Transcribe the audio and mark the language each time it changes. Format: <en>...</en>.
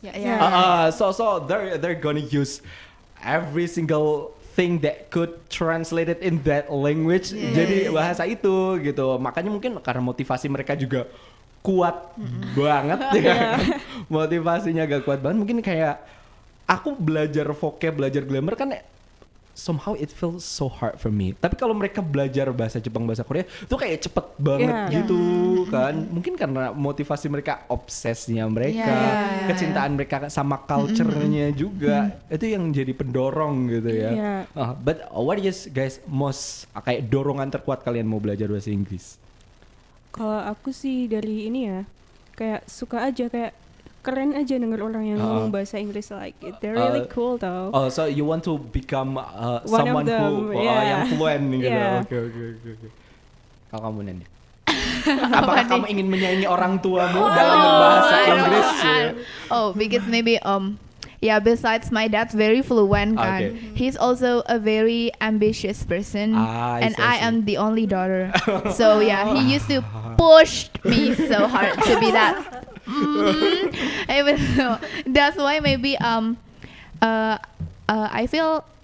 <en>So they're gonna use every single thing that could translate it in that language.</en> <id>Yes. Jadi bahasa itu gitu. Makanya mungkin karena motivasi mereka juga kuat banget. Motivasinya agak kuat banget. Mungkin kayak aku belajar vocab, belajar grammar kan</id> <en>somehow it feels so hard for me.</en> <id>Tapi kalau mereka belajar bahasa Jepang, bahasa Korea, itu kayak cepet banget gitu kan. Mungkin karena motivasi mereka, obsesnya mereka, kecintaan mereka sama culture-nya juga. Itu yang jadi pendorong gitu ya.</id> <en>But what is guys most</en> <id>kayak dorongan terkuat kalian mau belajar bahasa Inggris? Kalau aku sih dari ini ya, kayak suka aja, kayak keren aja denger orang yang ngomong bahasa Inggris,</id> <en>like they're really cool though. Oh, so you want to become someone them,</en> <id>who yang fluent gitu.</id> <en>Okay.</en> <id>Kalau kamu nanya, apakah kamu ingin menyaingi orang tuamu dalam bahasa Inggris?</id> <en>Oh, because maybe yeah, besides my dad's very fluent kan. Okay. He's also a very ambitious person. I am the only daughter. So yeah, he used to push me so hard to be that. Even though, that's why maybe I feel</en>